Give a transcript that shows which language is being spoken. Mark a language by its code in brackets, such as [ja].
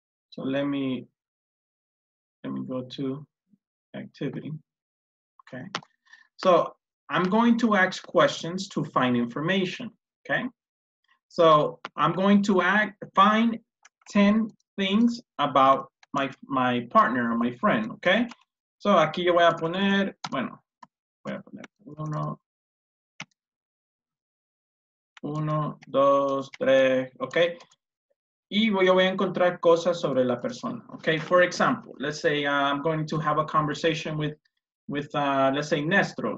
[en] So let me go to activity. Okay. So I'm going to ask questions to find information. Okay. So I'm going to find 10 things about my partner or my friend. Okay. [es] So aquí yo voy a poner, bueno, voy a poner uno. Uno, dos, tres, ok. Y yo voy a encontrar cosas sobre la persona, ok. [en] For example, let's say I'm going to have a conversation with let's say, Nestro.